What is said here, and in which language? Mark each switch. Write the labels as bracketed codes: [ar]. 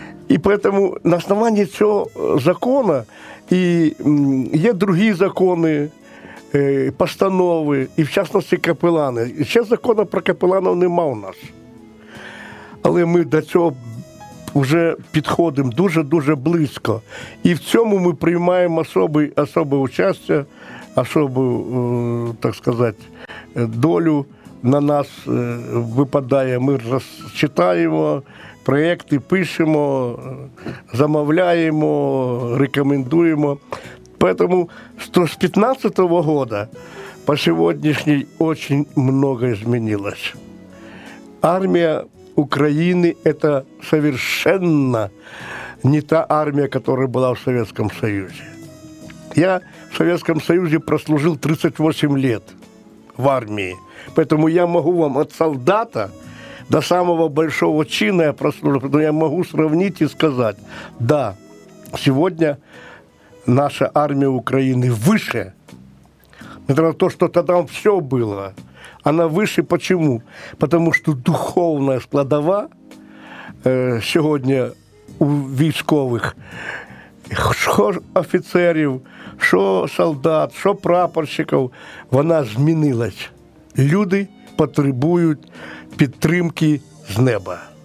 [ru] И поэтому на основании этого закона, и есть другие законы, [uk] постанови, і в частності капелани. І ще закону про капеланів нема у нас. Але ми до цього вже підходимо дуже-дуже близько. І в цьому ми приймаємо особе участь, особу, так сказати, долю на нас випадає. Ми розчитаємо проєкти, пишемо, замовляємо, рекомендуємо. [ru] Поэтому с 15-го года по сегодняшний очень многое изменилось. Армия Украины – это совершенно не та армия, которая была в Советском Союзе. Я в Советском Союзе прослужил 38 лет в армии. Поэтому я могу вам от солдата до самого большого чина я прослужил. Поэтому я могу сравнить и сказать, да, сегодня наша армия Украины выше. Это на то, что тогда все было. Она выше почему? Потому что духовная [uk] складова [ru] сегодня [uk] у військових, що офіцерів, що солдат, що прапорщиков, вона змінилась. Люди потребують підтримки з неба.